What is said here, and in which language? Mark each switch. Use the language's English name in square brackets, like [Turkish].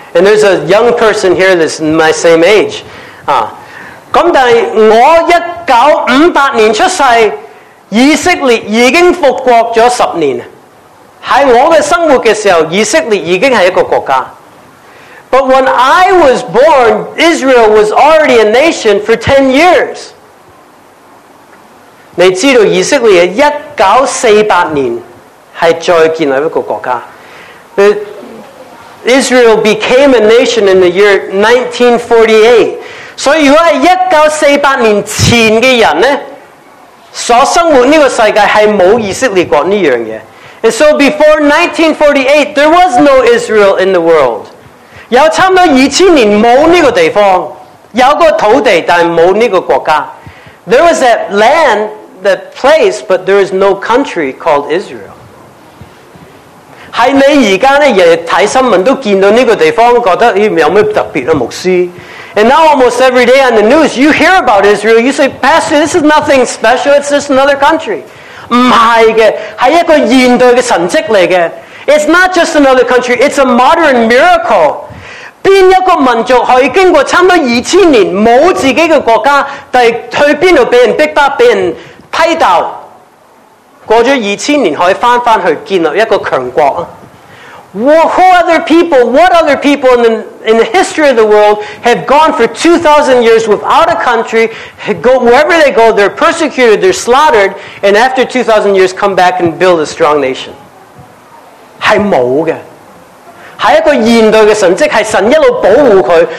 [English] And there's a young person here that's my same age. [Cantonese] 咁但係我1958年出世，以色列已經復國咗10年。喺我嘅生活嘅時候，以色列已經係一個國家。 [English] But when I was born, Israel was already a nation for 10 years. [Cantonese] 你知道以色列1948年係再建立一個國家。 [English] Israel became a nation in the year 1948. So, if you are [Cantonese] 1948年前嘅人咧，所生活呢个世界系冇以色列国呢样嘢。 [English] And so, before 1948, there was no Israel in the world. [Cantonese] 有差唔多2000年冇呢个地方，有个土地，但系冇呢个国家。 [English] There was that land, that place, but there is no country called Israel. [Cantonese] 喺你而家咧，日日睇新聞都見到呢個地方，覺得有咩特別啊，牧師 [English] ？And now almost every day on the news, you hear about Israel. You say, Pastor, this is nothing special. It's just another country. [Cantonese] 唔係嘅，係一個現代嘅神蹟嚟嘅。 [English] It's not just another country. It's a modern miracle. [Cantonese] 邊一個民族可以經過差唔多2000年冇自己嘅國家，但係去邊度俾人逼迫、俾人批鬥？过咗2000年，可以翻翻去建立一个强国。 [English] Who other people? What other people in the history of the world have gone for 2,000 years without a country? Go wherever they go, they're persecuted, they're slaughtered, and after 2,000 years, come back and build a strong nation. [Cantonese] 系冇嘅，系一个现代嘅神迹，系神一路保护佢。